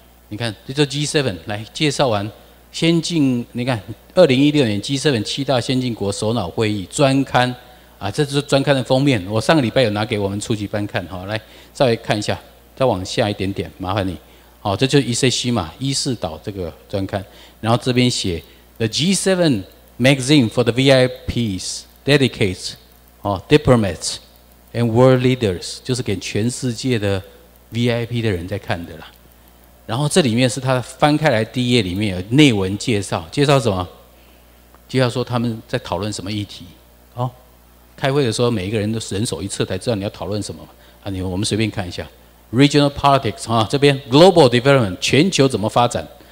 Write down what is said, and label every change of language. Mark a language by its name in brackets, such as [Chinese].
[Chinese] 你看，这就 G7 来介绍完先进。你看，2016年 G7 七大先进国首脑会议专刊啊，这就是专刊的封面。我上个礼拜有拿给我们初级班看，好，来稍微看一下，再往下一点点，麻烦你。好，这就是 ECC 嘛，伊势岛这个专刊。然后这边写 [English] The G7 Magazine for the VIPs dedicates 哦 diplomats and world leaders， [Chinese] 就是给全世界的 VIP 的人在看的啦。然后这里面是他翻开来第一页，里面有内文介绍，介绍什么？介绍说他们在讨论什么议题？哦，开会的时候每一个人都人手一册，才知道你要讨论什么啊。你我们随便看一下 ， [English] regional politics [Chinese] 啊，这边 [English] global development [Chinese] 全球怎么发展？